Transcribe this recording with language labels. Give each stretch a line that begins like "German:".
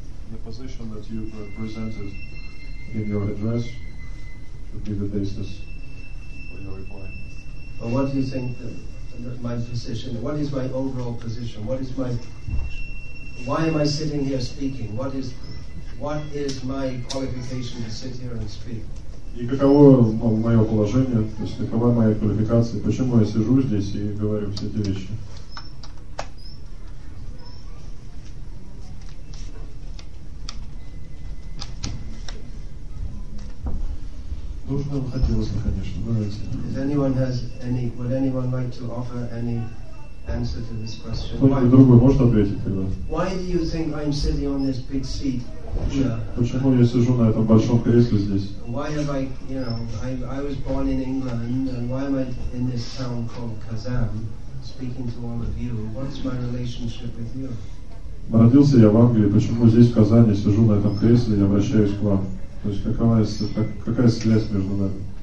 English: The position that you presented in your address should be the basis for your reply. Well, what do you think my position, what is my overall position, what is my, why am I sitting here speaking, what is my qualification to sit here and speak?
Russian: И каково мое положение, то есть какова моя квалификация, почему я сижу здесь и говорю все эти вещи? Нужно бы хотелось, конечно, давайте.
English: Does anyone has any, would anyone like to offer any answer to this question?
Russian: Кто-нибудь другой может ответить тогда?
English: Why do you think I'm sitting on this big seat?
Russian: Почему я сижу на этом большом кресле здесь?
English: Why am I, you know, I was born in England, and why am I in this town called Kazan, speaking to all of you? What's my relationship with you?
Russian: Родился я в Англии. Почему здесь в Казани сижу на этом кресле и обращаюсь к вам? То есть какая связь между нами?